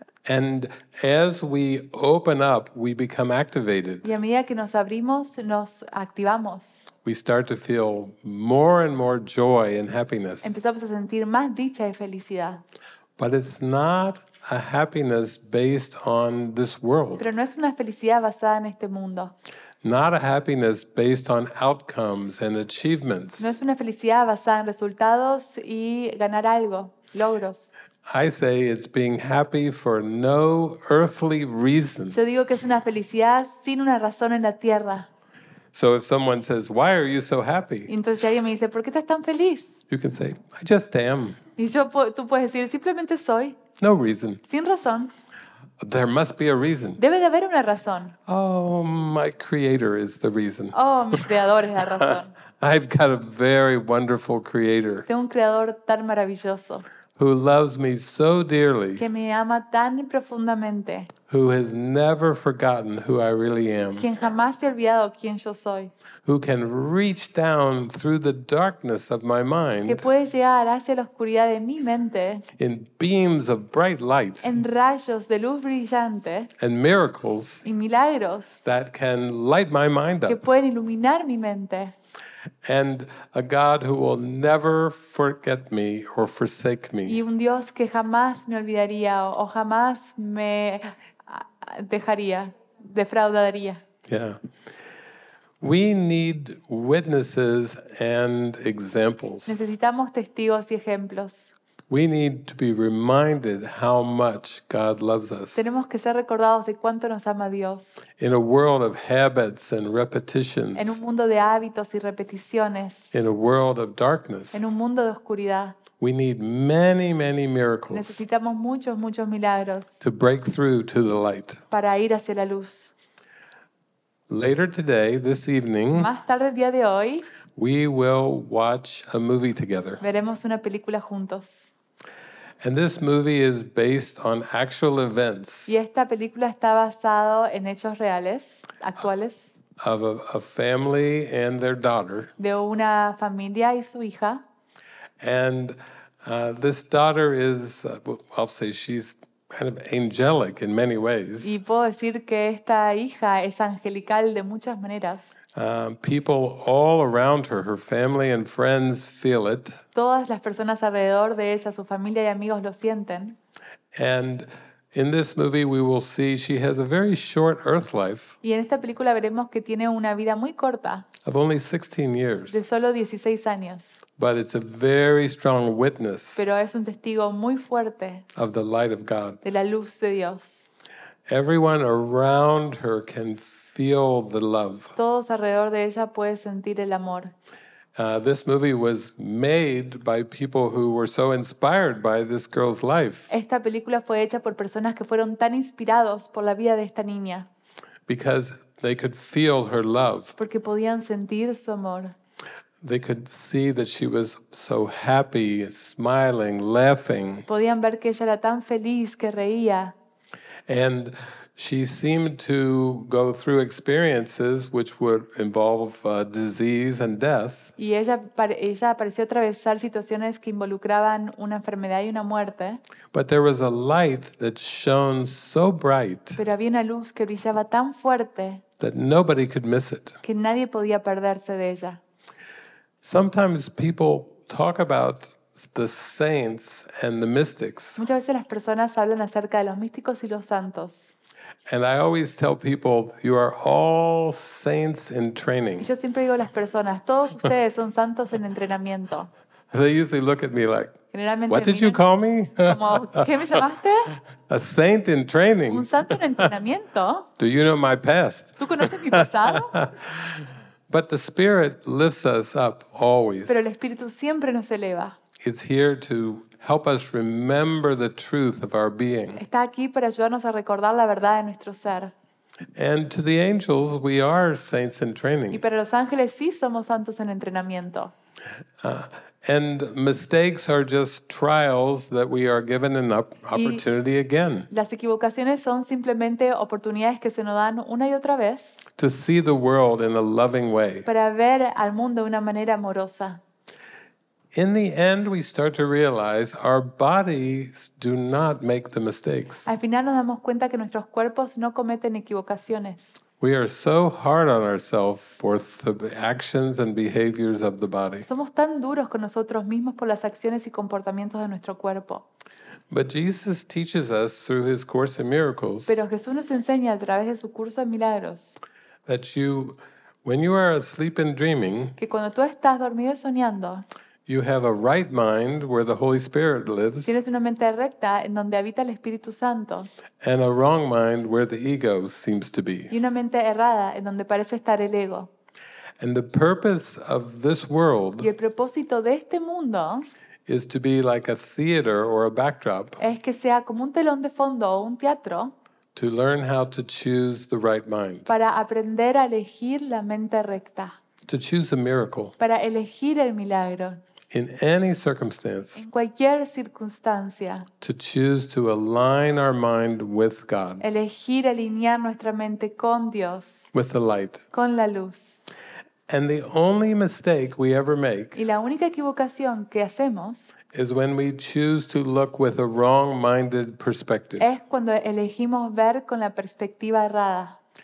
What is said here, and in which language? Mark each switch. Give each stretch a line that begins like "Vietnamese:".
English: And as we open up, we become activated.
Spanish: Y a medida que nos abrimos, nos activamos.
English: We start to feel more and more joy and happiness.
Spanish: Empezamos a sentir más dicha y felicidad.
English: But it's not a happiness based on this world.
Spanish: Pero no es una felicidad basada en este mundo.
English: Not a happiness based on outcomes and achievements.
Spanish: No es una felicidad basada en resultados y ganar algo, logros.
English: I say it's being happy for no earthly reason.
Spanish: Yo digo que es una felicidad sin una razón en la tierra.
English: So if someone says, "Why are you so happy?"
Spanish: Entonces alguien me dice, "¿Por qué estás tan feliz?"
English: You can say, "I just am."
Spanish: Y yo, tú puedes decir, simplemente soy.
English: No reason.
Spanish: Sin razón.
English: There must be a reason.
Spanish: Debe de haber una razón.
English: Oh, my creator is the reason.
Spanish: Oh, mi creador es la razón.
English: I've got a very wonderful creator.
Spanish: Tengo un creador tan maravilloso.
English: Who loves me so dearly.
Spanish: Que me ama tan profundamente.
English: Who has never forgotten who I really am.
Spanish: Quien jamás se ha olvidado quién yo soy.
English: Who can reach down through the darkness of my mind.
Spanish: Que puede llegar hacia la oscuridad de mi mente.
English: In beams of bright light.
Spanish: En rayos de luz brillante.
English: And miracles.
Spanish: Y milagros.
English: That can light my mind up.
Spanish: Que pueden iluminar mi mente.
English: And a God who will never forget me or forsake me.
Spanish: Y un Dios que jamás me olvidaría o jamás me dejaría, defraudaría.
English: Yeah. We need witnesses and examples.
Spanish: Necesitamos testigos y ejemplos.
English: We need to be reminded how much God loves us.
Spanish: Tenemos que ser recordados de cuánto nos ama Dios.
English: In a world of habits and repetitions.
Spanish: En un mundo de hábitos y repeticiones.
English: In a world of darkness.
Spanish: En un mundo de oscuridad.
English: We need many, many miracles.
Spanish: Necesitamos muchos, muchos milagros.
English: To break through to the light.
Spanish: Para ir hacia la luz.
English: Later today, this evening,
Spanish: más tarde, día de hoy,
English: we will watch a movie together.
Spanish: Veremos una película juntos.
English: And this movie is based on actual events.
Spanish: Y esta película está basado en hechos reales, actuales.
English: Of a family and their daughter.
Spanish: De una familia y su hija.
English: And this daughter is, I'll say she's kind of angelic in many ways.
Spanish: Y puedo decir que esta hija es angelical de muchas maneras.
English: People all around her, her family and friends feel it.
Spanish: Todas las personas alrededor de ella, su familia y amigos lo sienten.
English: And in this movie we will see she has a very short earth life.
Spanish: Y en esta película veremos que tiene una vida muy corta.
English: Of only 16 years.
Spanish: De solo 16 años.
English: But it's a very strong witness.
Spanish: Pero es un testigo muy fuerte.
English: Of the light of God.
Spanish: De la luz de Dios.
English: Everyone around her can feel the love.
Spanish: Todos alrededor de ella puede sentir el amor.
English: This movie was made by people who were so inspired by this girl's life.
Spanish: Esta película fue hecha por personas que fueron tan inspirados por la vida de esta niña.
English: Because they could feel her love.
Spanish: Porque podían sentir su amor.
English: They could see that she was so happy, smiling, laughing.
Spanish: Podían ver que ella era tan feliz, que reía.
English: And she seemed to go through experiences which would involve disease and death.
Spanish: Y ella pareció atravesar situaciones que involucraban una enfermedad y una muerte.
English: But there was a light that shone so bright.
Spanish: Pero había una luz que brillaba tan fuerte.
English: That nobody could miss it.
Spanish: Que nadie podía perderse de ella.
English: Sometimes people talk about the saints and the mystics.
Spanish: Muchas veces las personas hablan acerca de los místicos y los santos.
English: And I always tell people, you are all saints in training.
Spanish: Y yo siempre digo a las personas, todos ustedes son santos en entrenamiento.
English: They usually look at me like, what did you call me?
Spanish: Como, ¿qué me llamaste?
English: A saint in training.
Spanish: Un santo en entrenamiento.
English: Do you know my past?
Spanish: ¿Tú conoces mi pasado?
English: But the Spirit lifts us up always.
Spanish: Pero el Espíritu siempre nos eleva.
English: It's here to help us remember the truth of our being.
Spanish: Está aquí para ayudarnos a recordar la verdad de nuestro ser.
English: And to the angels, we are saints in training.
Spanish: Y para los ángeles sí somos santos en entrenamiento.
English: And mistakes are just trials that we are given an opportunity again.
Spanish: Las equivocaciones son simplemente oportunidades que se nos dan una y otra vez.
English: To see the world in a loving way.
Spanish: Para ver al mundo de una manera amorosa.
English: In the end, we start to realize our bodies do not make the mistakes.
Spanish: Al final nos damos cuenta que nuestros cuerpos no cometen equivocaciones.
English: We are so hard on ourselves for the actions and behaviors of the body.
Spanish: Somos tan duros con nosotros mismos por las acciones y comportamientos de nuestro cuerpo.
English: But Jesus teaches us through His Course in Miracles.
Spanish: Pero Jesús nos enseña a través de su curso de milagros.
English: That you, when you are asleep and dreaming.
Spanish: Que cuando tú estás dormido y soñando.
English: You have a right mind where the Holy Spirit lives.
Spanish: Tienes una mente recta en donde habita el Espíritu Santo.
English: And a wrong mind where the ego seems to be.
Spanish: Y una mente errada en donde parece estar el ego.
English: And the purpose of this world.
Spanish: Y el propósito de este mundo.
English: Is to be like a theater or a backdrop.
Spanish: Es que sea como un telón de fondo o un teatro.
English: To learn how to choose the right mind.
Spanish: Para aprender a elegir la mente recta.
English: To choose a miracle.
Spanish: Para elegir el milagro.
English: In any circumstance.
Spanish: En cualquier circunstancia.
English: To choose to align our mind with God.
Spanish: Elegir alinear nuestra mente con Dios.
English: With the light.
Spanish: Con la luz.
English: And the only mistake we ever make.
Spanish: Y la única equivocación que hacemos.
English: Is when we choose to look with a wrong-minded perspective.
Spanish: Es cuando elegimos ver con la perspectiva errada.